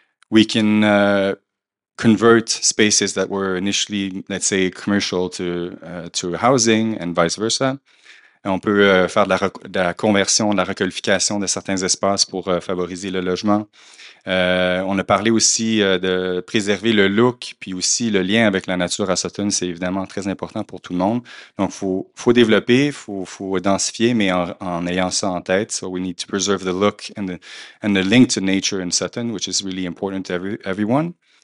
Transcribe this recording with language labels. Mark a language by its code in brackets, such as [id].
[en] We can... convert spaces that were initially, let's say, commercial to housing and vice versa. [fr] Et on peut faire de la conversion, de la requalification de certains espaces pour favoriser le logement. On a parlé aussi de préserver le look, puis aussi le lien avec la nature à Sutton, c'est évidemment très important pour tout le monde. Donc, faut développer, faut densifier, mais en ayant ça en tête. [en] So we need to preserve the look and the link to nature in Sutton, which is really important to everyone.